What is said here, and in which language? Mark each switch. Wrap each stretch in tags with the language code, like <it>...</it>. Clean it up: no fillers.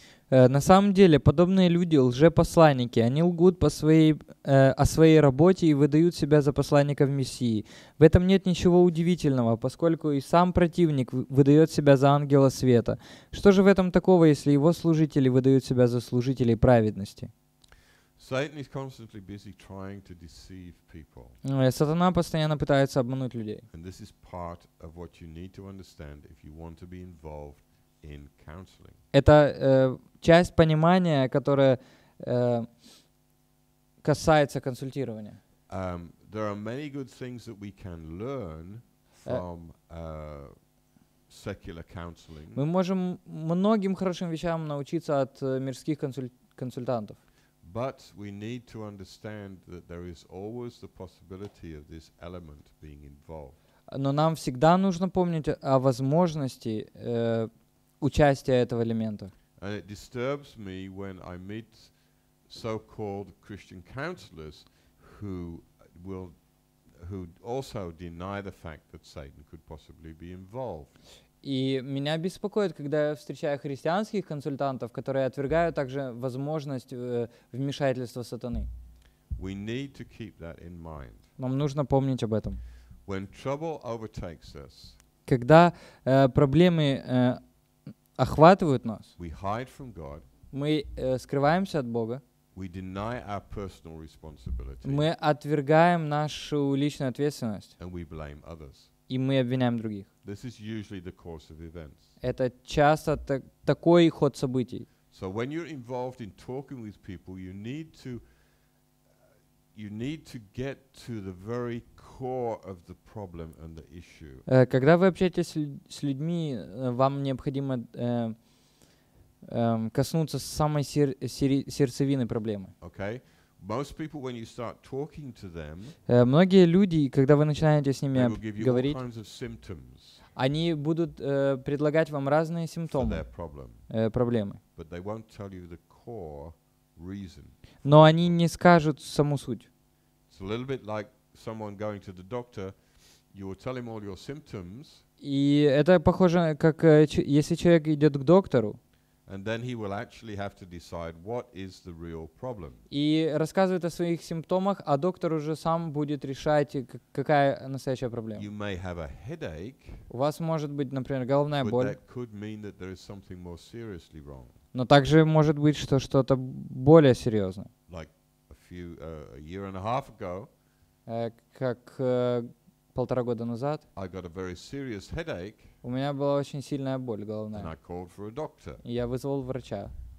<ru>На самом деле, подобные люди — лжепосланники. Они лгут о своей работе и выдают себя за посланников Мессии. В этом нет ничего удивительного, поскольку и сам противник выдает себя за ангела света. Что же в этом такого, если его служители выдают себя за служителей праведности?</ru> <en>Satan is constantly busy trying to deceive people.</en> <ru>Сатана постоянно пытается обмануть людей.</ru> <en>And this is part of what you need to understand if you want to be involved in counseling.</en> <ru>Это часть понимания, которая касается консультирования.</ru> <en>There are many good things that we can learn from secular counseling.</en> <ru>Мы можем многим хорошим вещам научиться от мирских консультантов.</ru> <en>But we need to understand that there is always the possibility of this element being involved.</en> <ru>Но нам всегда нужно помнить о возможности участия этого элемента.</ru> <en>And it disturbs me when I meet so-called Christian counselors who will who also deny the fact that Satan could possibly be involved.</en> <ru>И меня беспокоит, когда я встречаю христианских консультантов, которые отвергают также возможность вмешательства сатаны.</ru> <en>We need to keep that in mind.</en> <ru>Нам нужно помнить об этом.</ru> <en>When trouble overtakes us,</en> <ru>когда проблемы охватывают нас,</ru> <en>we hide from God,</en> <ru>мы скрываемся от Бога,</ru> <en>we deny our personal responsibility,</en> <ru>мы отвергаем нашу личную ответственность,</ru> <en>and we blame others.</en> <ru>И мы обвиняем других.</ru> <en>This is usually the course of events.</en> <ru>Это часто такой ход событий.</ru> <en>So when you're involved in talking with people, you need to get to the very core of the problem and the issue.</en> <ru>Когда вы общаетесь с людьми, вам необходимо коснуться самой сердцевины проблемы.</ru> <en>Okay. Most people, when you start talking to them,</en> <ru>многие люди, когда вы начинаете с ними говорить,</ru> <en>all kinds of symptoms,</en> <ru>они будут предлагать вам разные симптомы, проблемы.</ru> <en>But they won't tell you the core reason.</en> <ru>Но они не скажут саму суть.</ru> <en>It's a little bit like someone going to the doctor. You will tell him all your symptoms.</en> <ru>И это похоже, как если человек идет к доктору.</ru> <en>And then he will actually have to decide what is the real problem.</en> <ru>И рассказывает о своих симптомах, а доктор уже сам будет решать, какая настоящая проблема.</ru> <en>You may have a headache.</en> <ru>У вас может быть, например, головная боль.</ru> <en>But that could mean that there is something more seriously wrong.</en> <ru>Но также может быть, что что-то более серьезное.</ru> <en>Like a year and a half ago.</en> <ru>Как полтора года назад.</ru> <en>I got a very serious headache.</en> <ru>У меня была очень сильная боль головная. И я вызвал врача.</ru>